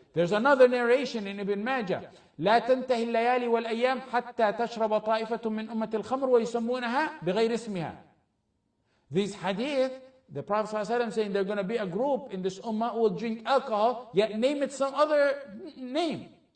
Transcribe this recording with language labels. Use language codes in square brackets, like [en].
[en] There's another narration in Ibn Majah. [ar] لا تنتهي الليالي والأيام حتى تشرب طائفة من أمة الخمر ويسمونها بغير اسمها. [en] These hadith, the Prophet ﷺ saying they're going to be a group in this ummah who will drink alcohol, yet name it some other name.